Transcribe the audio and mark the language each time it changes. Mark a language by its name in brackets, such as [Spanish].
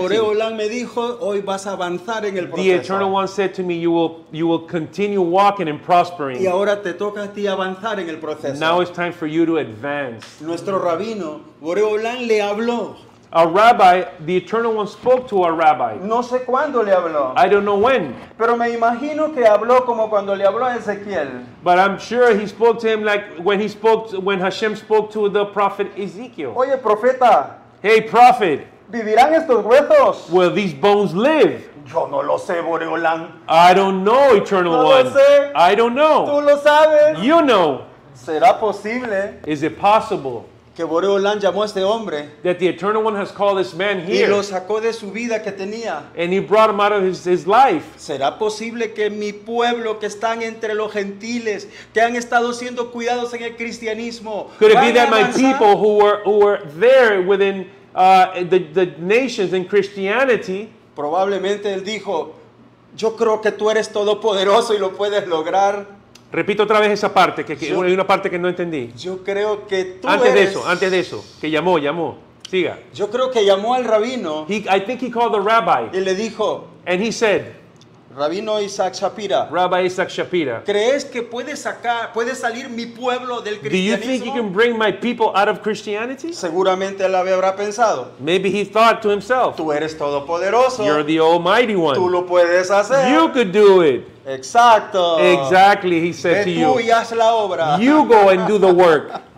[Spanish] Boreo Lan me dijo, hoy vas a avanzar en el proceso. [English] The Eternal One said to me, you will continue walking and prosper. [Spanish] Y ahora te toca a ti avanzar en el proceso. [English] Now it's time for you to advance. [Spanish] Nuestro rabino, Boreo Lan, le habló. [English] A rabbi, the Eternal One spoke to a rabbi. [Spanish] No sé cuándo le habló. [English] I don't know when. [Spanish] Pero me imagino que habló como cuando le habló a Ezequiel. [English] But I'm sure he spoke to him like when Hashem spoke to the prophet Ezekiel. [Spanish] Oye, profeta. [English] Hey, prophet. [Spanish] ¿Vivirán estos huesos? [English] Will these bones live? [Spanish] Yo no lo sé, Boreo Lan. [English] I don't know, Eternal no One. [Spanish] Lo sé. [English] I don't know. [Spanish] Tú lo sabes. [English] You know. [Spanish] ¿Será posible? [English] Is it possible? [Spanish] Que Boreo Lan llamó a este hombre. [English] That the Eternal One has called this man here. [Spanish] Y lo sacó de su vida que tenía. [English] And he brought him out of his life. [Spanish] ¿Será posible que mi pueblo que están entre los gentiles, que han estado siendo cuidados en el cristianismo, [English] could it be that my people who were there within the nations in Christianity? [Spanish] Probablemente él dijo, yo creo que tú eres todopoderoso y lo puedes lograr. Repito otra vez esa parte, que hay una parte que no entendí. Yo creo que tú eres... Antes de eso, que llamó. Siga. Yo creo que llamó al rabino. [English] I think he called the rabbi. [Spanish] Y le dijo... [English] And he said... [Spanish] Rabino Isaac Shapira. [English] Rabbi Isaac Shapira. [Spanish] ¿Crees que puede salir mi pueblo del cristianismo? [English] Do you think you can bring my people out of Christianity? [Spanish] Seguramente él habrá pensado. [English] Maybe he thought to himself. [Spanish] Tú eres todopoderoso. [English] You're the Almighty One. [Spanish] Tú lo puedes hacer. [English] You could do it. [Spanish] Exacto. [English] Exactly, he said to you. [Spanish] Ve tú y haz la obra. [English] You go and do the work.